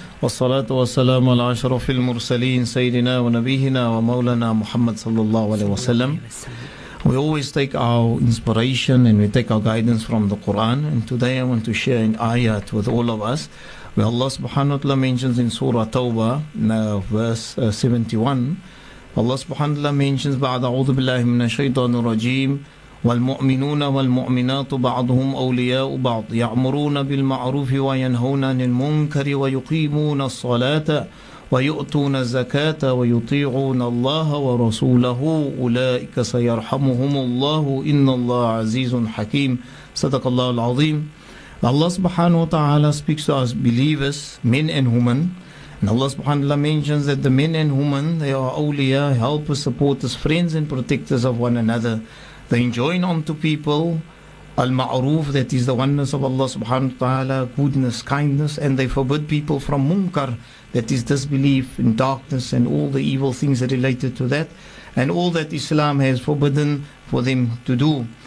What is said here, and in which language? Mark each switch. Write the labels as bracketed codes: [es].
[ar] والصلاة والسلام على أشرف المرسلين سيدنا ونبينا ومولانا محمد صلى الله عليه وسلم. [en] We always take our inspiration and we take our guidance from the Quran. And today I want to share an ayat with all of us, where Allah subhanahu wa ta'ala mentions in Surah Tawbah, verse 71. Allah subhanahu wa ta'ala mentions [ar] بعد أعوذ بالله من الشيطان الرجيم والمؤمنون والمؤمنات بعضهم أولياء بعض يأمرون بالمعروف وينهون عن المنكر ويقيمون الصلاة ويؤتون الزكاة ويطيعون الله ورسوله أولئك سيرحمهم الله إن الله عزيز حكيم صدق الله العظيم. [en] Allah subhanahu wa ta'ala speaks to us believers, men and women. And Allah subhanahu wa ta'ala mentions that the men and women, they are awliya, helpers, supporters, friends and protectors of one another. They enjoin onto people al-ma'roof, that is the oneness of Allah subhanahu wa ta'ala, goodness, kindness, and they forbid people from munkar, that is disbelief in darkness and all the evil things related to that, and all that Islam has forbidden for them to do.